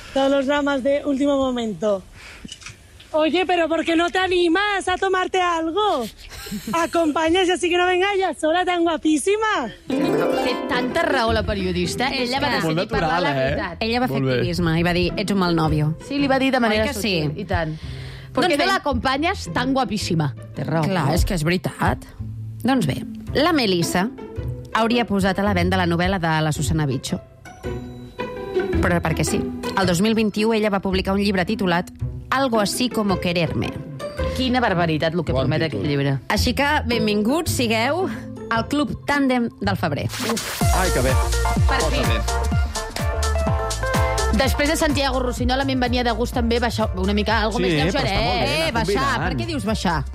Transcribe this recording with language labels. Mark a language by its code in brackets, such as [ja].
[es] Todos los dramas de último momento. Oye, pero ¿por qué no te animas a tomarte algo? Acompáñase, así que no venga ella sola tan guapísima. [ca] Té tanta raó la periodista. Ella va decidir natural, parlar la veritat. Ella va fer activisme i va dir, ets un mal nòvio. Sí, li va dir de manera sutil. Sí. I tant. [es] ¿Por qué no [ca] l'acompanyes tan guapíssima? Té raó. Clar, és que és veritat. Doncs bé, la Melissa hauria posat a la venda la novel·la de la Susana Bicho. Però perquè sí. El 2021 ella va publicar un llibre titulat Algo así como quererme. Quina barbaritat el que bon promet títol. Aquest llibre. Així que benvinguts, sigueu al Club Tàndem del Febrer. Uf. Ai, que bé. Per fi. Després de Santiago Rusiñol, a mi em venia de gust també baixar una mica, algo sí, més lleugeret. Sí, però està molt bé, baixar, per què dius baixar?